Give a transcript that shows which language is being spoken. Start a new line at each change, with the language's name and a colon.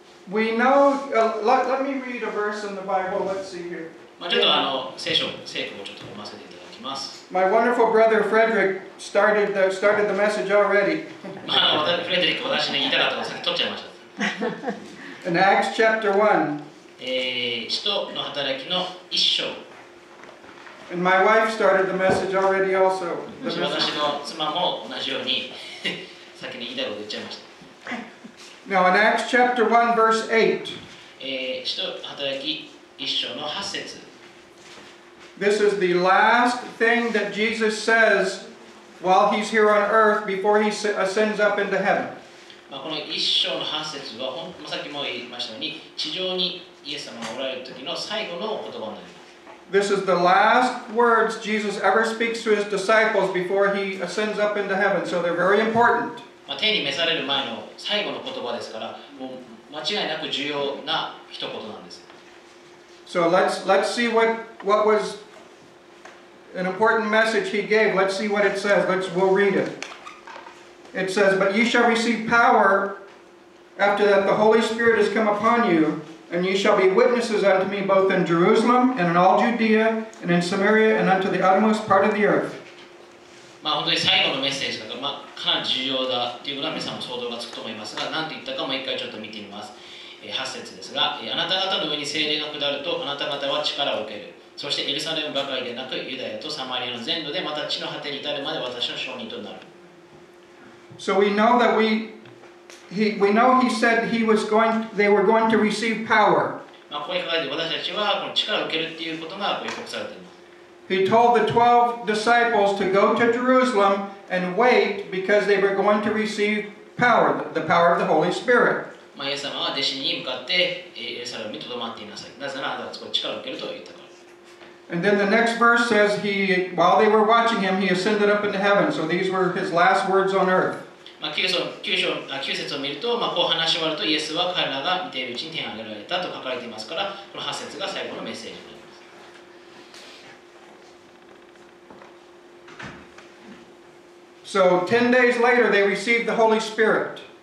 English: We know, let me read a verse in the Bible. Let's see here.
Japanese: まあ、ちょっとあの聖書をちょっと読ませていただきます。
English: My wonderful brother Frederick started the message already.
Japanese: まあ、フレデリック、私に言いたかったのを先に取っちゃいました。
English: In Acts chapter 1.
Japanese: 使徒の働きの一章。
English: And my wife started the message already also.
Japanese: 私の妻も同じように先に言いたいことを言っちゃいました。
English: Now in Acts chapter 1 verse 8.
Japanese: 使徒の働き一章の八節。
English: This is the last thing that Jesus says while he's here on earth before he ascends up into heaven.
Japanese: まあ、この一章の八節は、さっきも言いましたように、地上にイエス様がおられる時の最後の言葉になります。
English: This is the last words Jesus ever speaks to his disciples before he ascends up into heaven, so they're very important.
Japanese: まあ、天に召される前の最後の言葉ですから、もう間違いなく重要な一言なんです。
English: So let's see what was an important message he gave. Let's see what it says. We'll read it. It says, But ye shall receive power after that the Holy Spirit has come upon you, and ye shall be witnesses unto me both in Jerusalem and in all Judea and in Samaria and unto the uttermost part of the earth.
Japanese: まあ本当に最後のメッセージだから、まあ、かなり重要だということは皆さんも想像がつくと思いますが、何て言ったかもう一回ちょっと見てみます。 8節ですが、あなた方の上に聖霊が下ると、あなた方は力を受ける。そしてエルサレムばかりでなく、ユダヤとサマリアの全土で、また地の果てに至るまで私の証人となる。
English: So we know that we know he said he was going, they were going to receive power.
Japanese: まあ、ここに書かれて私たちはこの力を受けるっていうことが予告されています。
English: He told the 12 disciples to go to Jerusalem and wait because they were going to receive power, the power of the Holy Spirit.
Japanese: まあ、イエス様は弟子に向かってエルサレムに留まっていなさい。なぜならあなたはそこに力を受けると言ったから。
English: And then the next verse says he, while they were watching him, he ascended up into heaven. So these were his last words on earth.
Japanese: まあ、九節を見ると、まあ、こう話し終わるとイエスは彼らが見ているうちに天上げられたと書かれていますから、この八節が最後のメッセージになります。
English: So 10 days later, they received the Holy Spirit.